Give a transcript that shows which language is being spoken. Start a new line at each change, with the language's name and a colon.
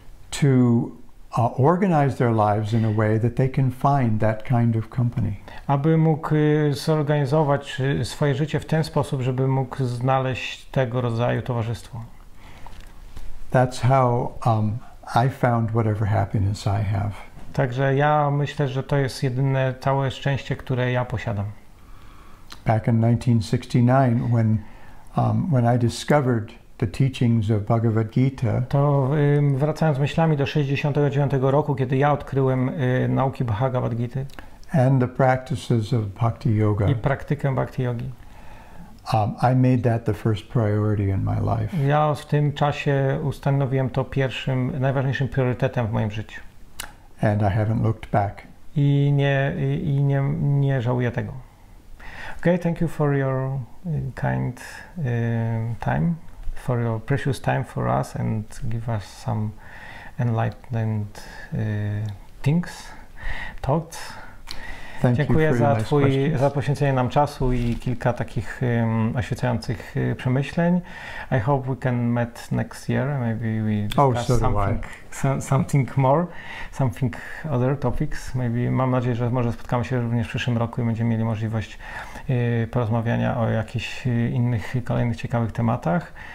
English: to organize their lives in a way that they can find that kind of company,
Polish: aby mógł zorganizować swoje życie w ten sposób, żeby mógł znaleźć tego rodzaju towarzystwo.
English: That's how I found whatever happiness I have.
Polish: Także ja myślę, że to jest jedyne całe szczęście, które ja posiadam.
English: Back in 1969, when I discovered the teachings of Bhagavad Gita,
Polish: to wracając myślami do 69 roku, kiedy ja odkryłem nauki Bhagavad Gita
English: and the practices of Bhakti Yoga,
Polish: i praktykę Bhakti Yogi,
English: I made that the first priority in my life.
Polish: Ja w tym czasie ustanowiłem to pierwszym, najważniejszym priorytetem w moim życiu.
English: And I haven't looked back.
Polish: I nie żałuję tego.
English: Okay, thank you for your kind time, for your precious time for us, and give us some enlightened things, thoughts. Thank
Polish: Dziękuję
English: you
Polish: za
English: nice
Polish: twój
English: questions.
Polish: Za poświęcenie nam czasu i kilka takich oświecających przemyśleń.
English: I hope we can meet next year. Maybe we discuss something more, something other topics.
Polish: Maybe mam nadzieję, że może spotkamy się również w przyszłym roku i będziemy mieli możliwość porozmawiania o jakichś innych, kolejnych ciekawych tematach.